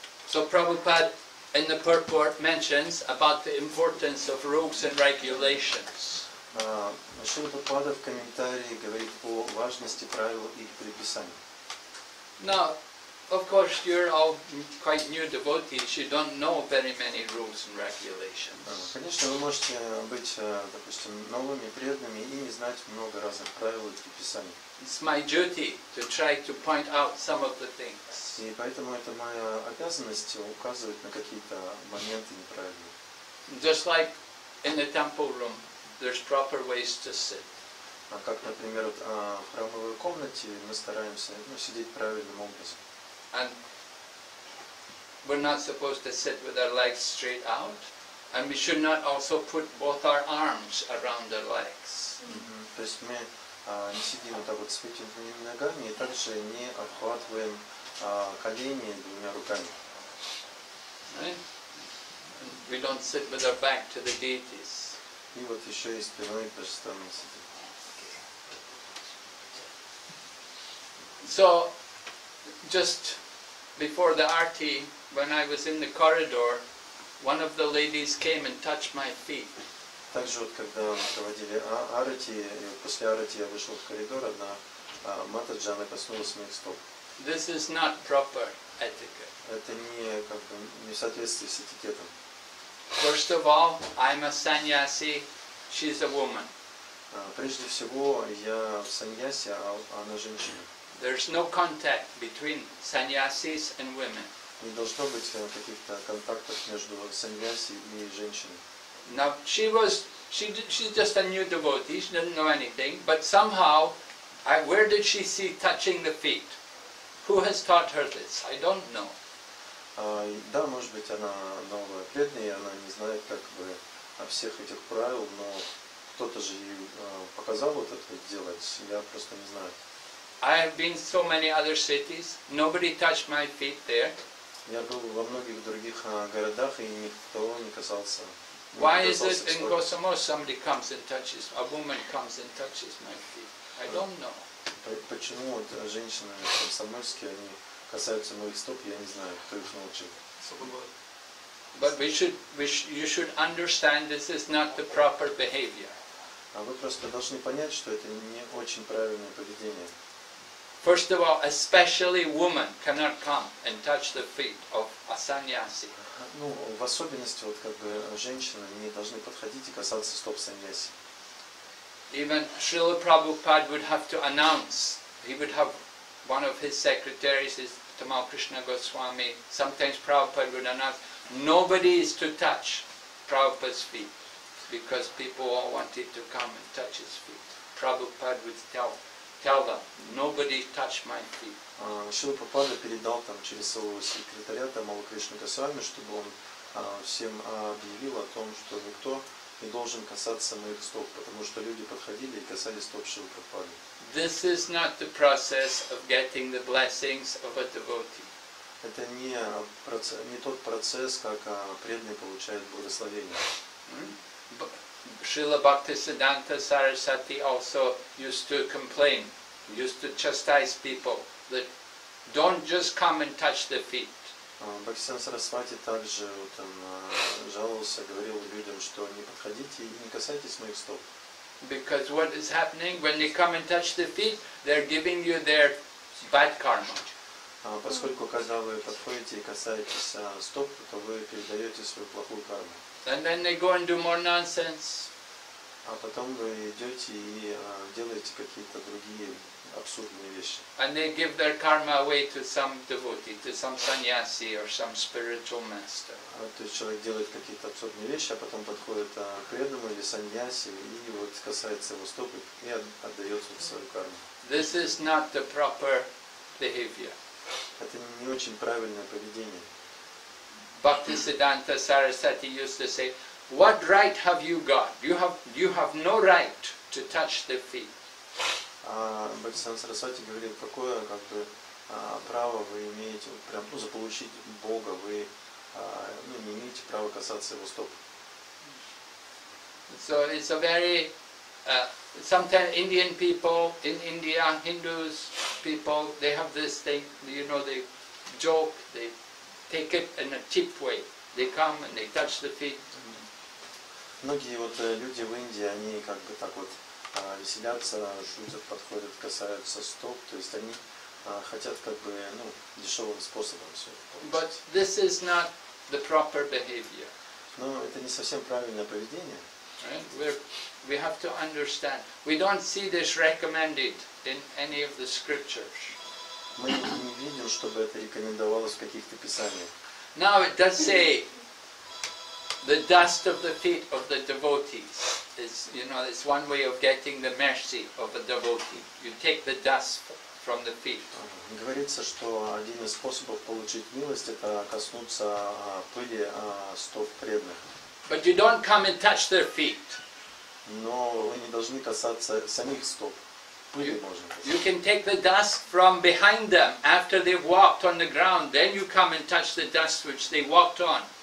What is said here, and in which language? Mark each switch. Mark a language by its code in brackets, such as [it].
[en] So Prabhupada in the purport mentions about the importance of rules and regulations. [ru] Шрила Прабхупада в комментарии говорит о важности правил и предписаний. [en] Now, of course, you're all quite new devotees. You don't know very many rules and regulations. [ru] Конечно, вы можете быть, допустим, новыми преданными и не знать много разных правил и предписаний. [en] It's my duty to try to point out some of the things. [ru] И поэтому это моя обязанность указывать на какие-то моменты неправильные. [en] Just like in the temple room, there's proper ways to sit. [ru] А как, например, в храмовой комнате мы стараемся, ну, сидеть правильным образом. [en] And we're not supposed to sit with our legs straight out, and we should not also put both our arms around our legs. [ru] То есть мы не сидим вот так вот с вытянутыми ногами и также не обхватываем колени двумя руками. [en] Right? We don't sit with our back to the deities. [ru] И вот еще и спиной просто не сидим. [en] So, just before the arti, when I was in the corridor, one of the ladies came and touched my feet. [ru] Также вот когда мы проводили арати, и после арати я вышел в коридор, одна мата джана коснулась моих стоп. [en] This is not proper etiquette. [ru] Это не как бы не в соответствии с этикетом. [en] First of all, I'm a sannyasi, she's a woman. [ru] Прежде всего, я в саньясе, а она женщина. [en] There's no contact between sannyasis and women. [ru] Не должно быть каких-то контактов между саньяси и женщиной. [en] Now she was, she's just a new devotee. She doesn't know anything. But somehow, where did she see touching the feet? Who has taught her this? I don't know. [ru] Да, может быть, она новая преданная, она не знает как бы о всех этих правил, но кто-то же ей показал вот это делать. Я просто не знаю. [en] I have been so many other cities. Nobody touched my feet there. [ru] Я был во многих других городах и никто не касался. [en] Why is it in Komsomolsk somebody comes and touches, a woman comes and touches my feet? I don't know. [ru] Почему вот женщины в Комсомольске они касаются моих стоп? Я не знаю, кто их научил. [en] But you should understand this is not the proper behavior. [ru] А вы просто должны понять, что это не очень правильное поведение. [en] First of all, especially women cannot come and touch the feet of a sannyasi. [ru] Ну, в особенности вот как бы женщины не должны подходить и касаться стоп саньяси. [en] Even Srila Prabhupada would have to announce, he would have one of his secretaries, his Tamal Krishna Goswami, sometimes Prabhupada would announce, nobody is to touch Prabhupada's feet, because people all wanted to come and touch his feet. Prabhupada would tell them, nobody touch my feet. [ru] Шила Прабхупада передал там через своего секретаря Тамалу Кришну Госвами, чтобы он всем объявил о том, что никто не должен касаться моих стоп, потому что люди подходили и касались стоп Шила Прабхупады. [en] This is not the process of getting the blessings of a devotee. [ru] Это не тот процесс, как преданный получает благословение. [en] Шила Бхактисиддханта Сарасвати also used to complain, used to chastise people. That don't just come and touch the feet. [ru] Бхактисиддханта Сарасвати также вот он жаловался, говорил людям, что не подходите и не касайтесь моих стоп. [en] Because what is happening when they come and touch the feet, they're giving you their bad karma. [ru] Поскольку когда вы подходите и касаетесь стоп, то вы передаете свою плохую карму. [en] And then they go and do more nonsense. [ru] А потом вы идете и делаете какие-то другие абсурдные вещи. [en] And they give their karma away to some devotee, to some sannyasi or some spiritual master. [ru] То есть человек делает какие-то абсурдные вещи, а потом подходит к преданному или саньяси и вот касается его стоп и отдает свою карму. [en] This is not the proper behavior. [ru] Это не очень правильное поведение. [en] Bhaktisiddhanta Sarasvati used to say, "What right have you got? You have no right to touch the feet." [ru] Бхактисиддханта Сарасвати говорил, какое как бы право вы имеете прям заполучить Бога, вы не имеете права касаться его стоп. [en] So it's a very sometimes Indian people in India, Hindus people, they have this thing, you know, they joke, they take it in a cheap way. They come and they touch the feet. [ru] Многие вот люди в Индии, они как бы так вот веселятся, шутят, подходят, касаются стоп, то есть они хотят как бы дешевым способом все. [en] But this is not the proper behavior. [ru] Но это не совсем правильное поведение. [en] We have to understand. We don't see this recommended in any of the scriptures. [ru] Мы не видим, чтобы это рекомендовалось в каких-то писаниях. [en] Now it does say the dust of the feet of the devotees is, you know, it's one way of getting the mercy of a devotee. You take the dust from the feet. [ru] Говорится, что один из способов получить милость это коснуться пыли стоп преданных. [en] But you don't come and touch their feet. [ru] Но вы не должны касаться самих стоп. [en] You can take the dust from behind them after they've walked on the ground. Then you come and touch the dust which they walked on.